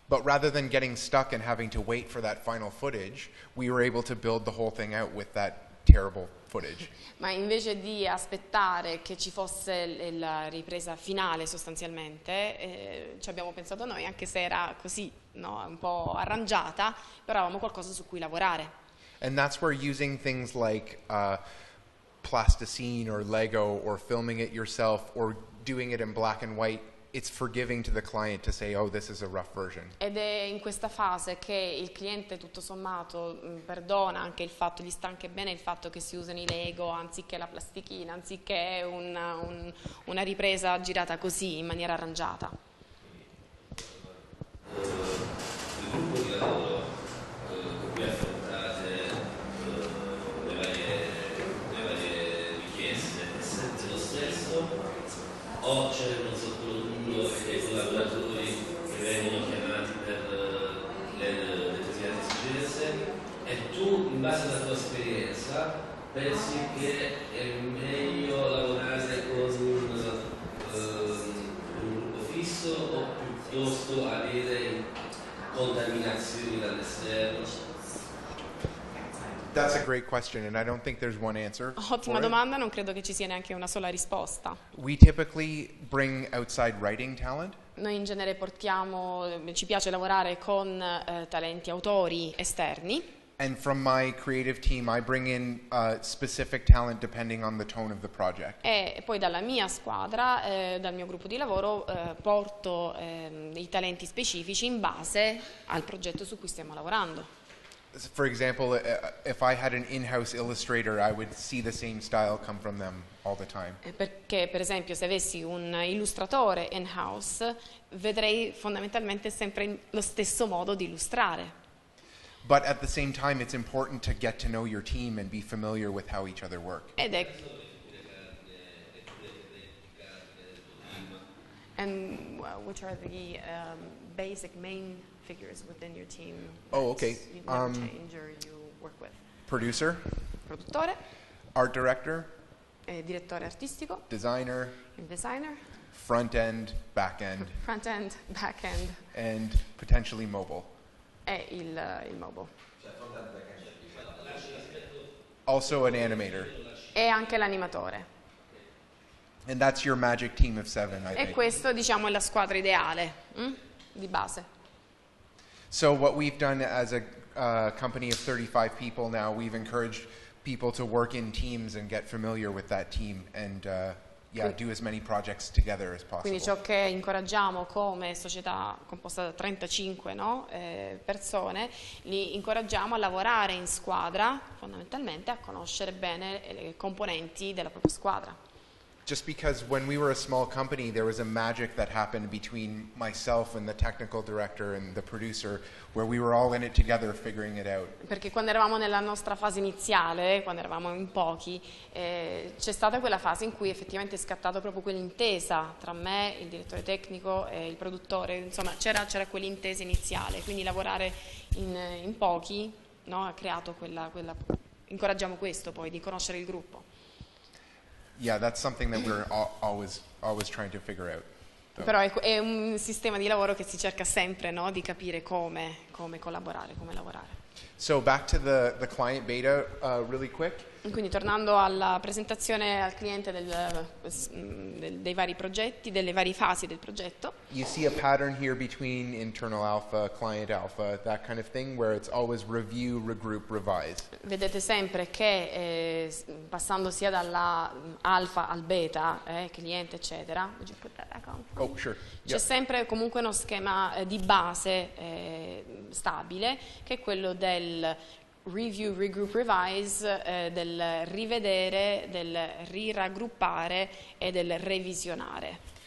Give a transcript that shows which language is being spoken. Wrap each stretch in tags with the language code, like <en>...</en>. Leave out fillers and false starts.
<en>But rather than getting stuck and having to wait for that final footage, we were able to build the whole thing out with that terrible footage.</en> <it>Ma invece di aspettare che ci fosse la ripresa finale sostanzialmente, ci abbiamo pensato noi, anche se era così, no, un po' arrangiata, però avevamo qualcosa su cui lavorare.</it> <en>And that's where using things like plasticine or Lego or filming it yourself or doing it in black and white, it's forgiving to the client to say, oh, this is a rough version.</en> <it>Ed è in questa fase che il cliente tutto sommato perdona anche il fatto, gli sta anche bene il fatto che si usano i Lego anziché la plastichina, anziché una ripresa girata così in maniera arrangiata. O c'è uno sottotitolo e dei collaboratori che vengono chiamati per le determinate esigenze, e tu, in base alla tua esperienza, pensi che è meglio lavorare con un gruppo fisso o piuttosto avere contaminazioni dall'esterno?</it> <en>That's a great question, and I don't think there's one answer.</en> <it>Ottima domanda, non credo che ci sia neanche una sola risposta.</it> <en>We typically bring outside writing talent.</en> <it>Noi in genere portiamo, ci piace lavorare con talenti autori esterni.</it> <en>And from my creative team, I bring in specific talent depending on the tone of the project.</en> <it>E poi dalla mia squadra, dal mio gruppo di lavoro, porto i talenti specifici in base al progetto su cui stiamo lavorando.</it> <en>For example, if I had an in-house illustrator, I would see the same style come from them all the time.</en> <it>Perché, per esempio, se avessi un illustratore in-house, vedrei fondamentalmente sempre lo stesso modo di illustrare.</it> <en>But at the same time, it's important to get to know your team and be familiar with how each other work.</en> <it>Ed è...</it> <en>And which are the basic main figures within your team? Oh, okay. You never change or you work with? Producer.</en> <it>Produttore.</it> <en>Art director.</en> <it>Direttore artistico.</it> <en>Designer. Designer. Front end, back end. Front end, back end. And potentially mobile.</en> <it>E il mobile.</it> <en>Also an animator.</en> <it>E anche l'animatore.</it> <en>And that's your magic team of seven, I think.</en> <it>E questo, diciamo, è la squadra ideale, di base.</it> <en>So what we've done as a company of 35 people now, we've encouraged people to work in teams and get familiar with that team and do as many projects together as possible.</en> <it>Quindi ciò che incoraggiamo come società composta da 35, no, persone, li incoraggiamo a lavorare in squadra, fondamentalmente a conoscere bene le componenti della propria squadra.</it> <en>Just because when we were a small company, there was a magic that happened between myself and the technical director and the producer, where we were all in it together, figuring it out.</en> <it>Perché quando eravamo nella nostra fase iniziale, quando eravamo in pochi, c'è stata quella fase in cui effettivamente è scattato proprio quell'intesa tra me, il direttore tecnico e il produttore. Insomma, c'era quell'intesa iniziale. Quindi lavorare in pochi, no, ha creato quella. Incoraggiamo questo poi di conoscere il gruppo.</it> <en>Yeah, that's something that we're always trying to figure out. So.</en> <it>Però è un sistema di lavoro che si cerca sempre, no, di capire come collaborare, come lavorare.</it> <en>So back to the client beta really quick.</en> <it>Quindi tornando alla presentazione al cliente dei vari progetti, delle varie fasi del progetto.</it> <en>You see a pattern here between internal alpha, client alpha, that kind of thing, where it's always review, regroup, revise.</en> <it>Vedete sempre che passando sia dalla alfa al beta, cliente eccetera,</it> <en>would you put that back on? Oh, sure.</en> <it>C'è sempre comunque uno schema di base stabile, che è quello del</it> <en>review, regroup, revise,</en> <it>del rivedere, del riraggruppare e del revisionare.</it>